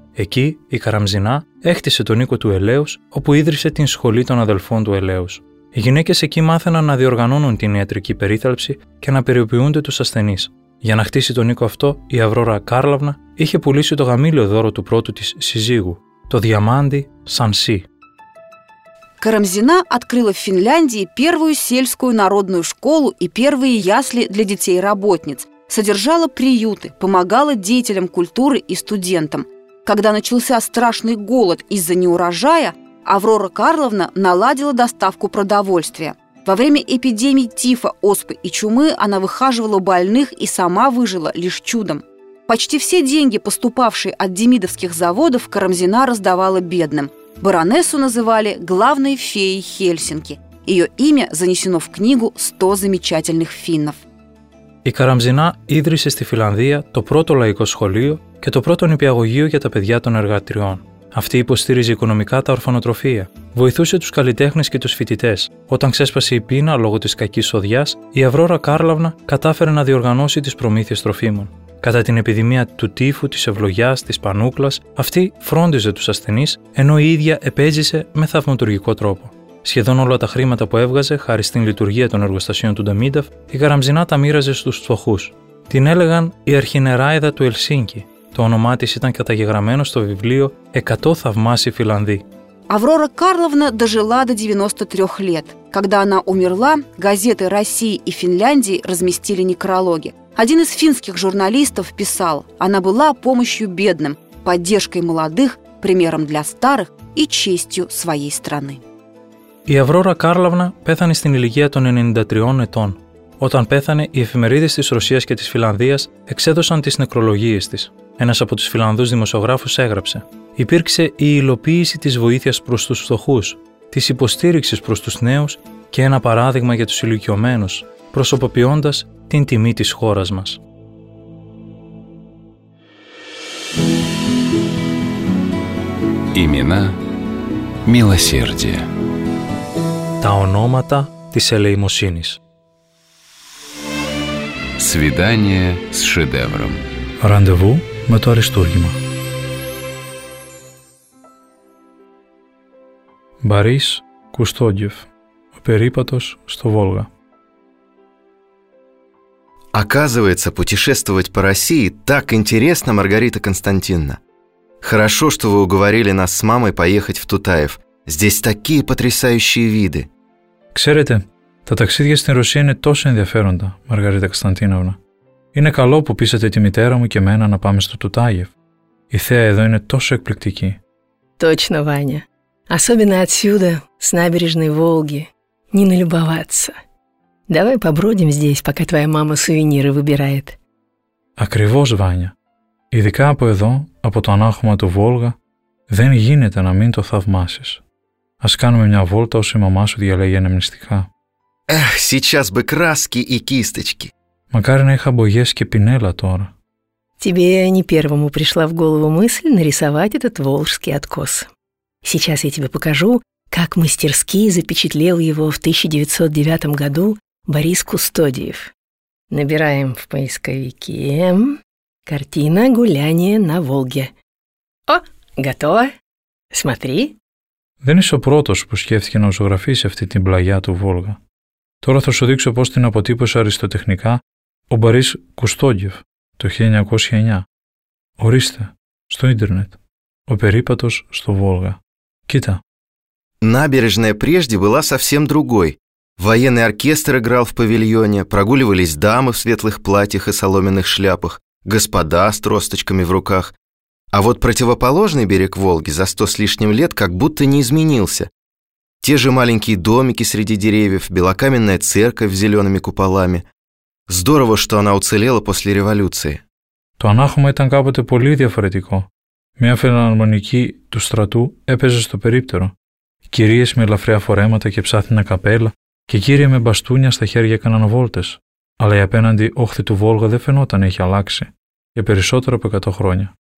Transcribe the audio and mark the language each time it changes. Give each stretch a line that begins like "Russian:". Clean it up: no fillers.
Greek: Εκεί η Καραμζινά έκτισε τον οίκο του Ελέους, όπου ίδρυσε την Σχολή των Αδελφών του Ελέους. Οι γυναίκες εκεί μάθαιναν να διοργανώνουν την ιατρική περίθαλψη και να περιποιούνται τους ασθενείς. Για να χτίσει τον οίκο αυτό, η Αβρόρα Κάρλαβνα είχε πουλήσει το γαμήλιο δώρο του πρώτου της συζύγου, το διαμάντι Σανσί.
Russian: Карамзина открыла в Финляндии первую сельскую народную школу и первые ясли для детей-работниц. Содержала приюты, помогала деятелям культуры и студентам. Когда начался страшный голод из-за неурожая, Аврора Карловна наладила доставку продовольствия. Во время эпидемий тифа, оспы и чумы она выхаживала больных и сама выжила лишь чудом. Почти все деньги, поступавшие от демидовских заводов, Карамзина раздавала бедным. Баронессу называли главной феей Хельсинки. Ее имя занесено в книгу «100 замечательных финнов».
Greek: Η Καραμζινά ίδρυσε στη Φιλανδία το πρώτο λαϊκό σχολείο και το πρώτο νηπιαγωγείο για τα παιδιά των εργατριών. Αυτή υποστήριζε οικονομικά τα ορφανοτροφεία, βοηθούσε τους καλλιτέχνες και τους φοιτητές. Όταν ξέσπασε η πείνα λόγω της κακής σοδειάς, η Αβρόρα Κάρλαβνα κατάφερε να διοργανώσει τις προμήθειες τροφίμων. Κατά την επιδημία του τύφου, της ευλογιάς, της πανούκλας, αυτή φρόντιζε τους ασθενείς, ενώ η ίδια επέζησε με θαυματουργικό τρόπο. Σχεδόν όλα τα χρήματα που έβγαζε, χάρη στην λειτουργία των εργοστασίων του Νταμίνταφ, η Καραμζινά τα μοίραζε στους φτωχούς. Την έλεγαν η Αρχινεράιδα του Ελσίνκι. Το όνομά της ήταν καταγεγραμμένο στο βιβλίο «100 θαυμάσιοι Φιλανδοί».
Russian: Аврора Карловна дожила до 93 лет. Когда она умерла, газеты России и Финляндии разместили некрологи. Один из финских журналистов писал, она была помощью бедным, поддержкой молодых, примером для старых и честью своей страны.
Greek: Η Аврора Карловна πέθανε στην ηλικία των 93 ετών. Όταν πέθανε, οι εφημερίδες της Ρωσίας και της Φιλανδίας εξέδωσαν τις νεκρολογίες της. Ένας από τους Φιλανδούς δημοσιογράφους έγραψε: «Υπήρξε η υλοποίηση της βοήθειας προς τους φτωχούς, της υποστήριξης προς τους νέους και ένα παράδειγμα για τους ηλικιωμένους, προσωποποιώντας την τιμή της χώρας μας».
Russian: Имена милосердия.
Greek: Τα ονόματα της ελεημοσύνης.
Russian: Свидание с шедевром.
Greek: Ραντεβού με το αριστούργημα. Μπαρίς Κουστόγγεφ, ο περίπατος στο Βόλγα.
Russian: Оказывается, путешествовать по России так интересно, Маргарита Константиновна. Хорошо, что вы уговорили нас с мамой поехать в Тутаев. Здесь такие потрясающие виды.
Greek: Ξέρετε, τα ταξίδια στην Ρωσία είναι τόσο ενδιαφέροντα, Μαργαρίτα Κωνσταντίνοβνα. Είναι καλό που πείσατε τη μητέρα μου και εμένα να πάμε στο Τουτάγεφ. Η θέα εδώ είναι τόσο εκπληκτική.
Russian: Точно, Ваня. Особенно отсюда, с набережной Волги. Не налюбоваться. Давай побродим здесь, пока твоя мама сувениры выбирает.
Greek: Ακριβώς, Ваня. Ειδικά από εδώ, από το ανάχωμα του Βόλγα, δεν γίνεται να μην το θαυμάσεις. Ας κάνουμε μια βόλτα όσο η μαμά σου διαλέγει αναμνηστικά.
Russian: Эх, сейчас бы краски и кисточки.
Greek: Макарин, я хабоес и пинела тора.
Russian: Тебе не первому пришла в голову мысль нарисовать этот волжский откос. Сейчас я тебе покажу, как мастерски запечатлел его в 1909 году Борис Кустодиев. Набираем в поисковике «Картина гуляния на Волге». О, готово. Смотри.
Greek: Δεν είσαι ο πρώτος που σκέφτηκε να ζωγραφίσει αυτή την πλαγιά του Βόλγα. Τώρα θα σου δείξω πώς την αποτύπωσε αριστοτεχνικά ο Μπορίς Κουστόγιεφ το 1909. Ορίστε, στο ίντερνετ, ο περίπατος στο Βόλγα. Κοίτα.
Russian: Набережная прежде была совсем другой. Военный оркестр играл в павильоне, прогуливались дамы в светлых платьях и соломенных шляпах, господа с тросточками в руках. А вот противоположный берег Волги за 100 с лишним лет как будто не изменился. Те же маленькие домики среди деревьев, белокаменная церковь с зелеными куполами. Здорово, что она уцелела после революции.
Greek: То анахома ήταν κάποτε πολύ διαφορετικό. Μια φιλαρμονική του στρατού έπαιζε στο περίπτερο. Κυρίες με ελαφριά φορέματα και ψάθινα καπέλα και κύριοι με μπαστούνια στα χέρια έκαναν βόλτες. Αλλά η απέναντι όχθη του Βόλγα δεν φαινόταν, είχε αλλάξει. Για περισσότερο από 100 χρόνια.